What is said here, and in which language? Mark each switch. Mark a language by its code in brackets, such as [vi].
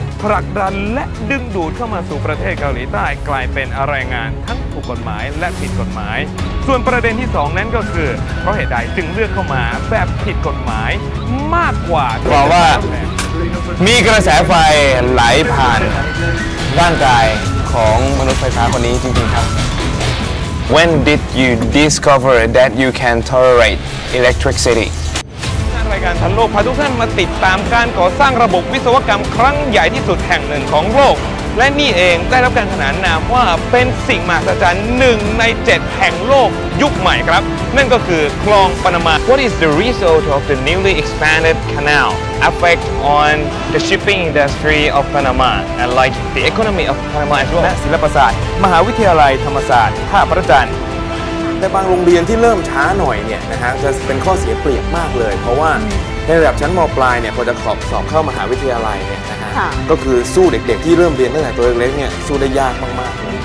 [th] ผลักดันและดึงดูดเข้ามาสู่ประเทศเกาหลีใต้กลายเป็นแรงงานทั้งถูกกฎหมายและผิดกฎหมายส่วนประเด็นที่2นั้นก็คือเพราะเหตุใดจึงเลือกเข้ามาแบบผิดกฎหมายมากกว่า บอกว่ามีกระแสไฟไหลผ่านร่างกายของมนุษย์ไฟฟ้าคนนี้จริงๆครับ [en] When did you discover that you can tolerate electricity [th] การทันโลกพาทุกท่านมาติดตามการก่อสร้างระบบวิศวกรรมครั้งใหญ่ที่สุดแห่งหนึ่งของโลกและนี่เองได้รับการขนานนามว่าเป็นสิ่งมหัศจรรย์หนึ่งใน7แห่งโลกยุคใหม่ครับนั่นก็คือคลองปานามา [en] What is the result of the newly expanded canal effect on the shipping industry of Panama and like the economy of Panama as well [th] และศิลปศาสตร์มหาวิทยาลัยธรรมศาสตร์ท่าพระจันทร์ แต่บางโรงเรียนที่เริ่มช้าหน่อยเนี่ยนะฮะจะเป็นข้อเสียเปรียบมากเลยเพราะว่าในระดับชั้นม. ปลายเนี่ยพอจะสอบเข้ามหาวิทยาลัยเนี่ยนะฮ ะ ก็คือสู้เด็กๆที่เริ่มเรียนตั้งแต่ตัวเล็กๆเนี่ยสู้ได้ยากมากๆ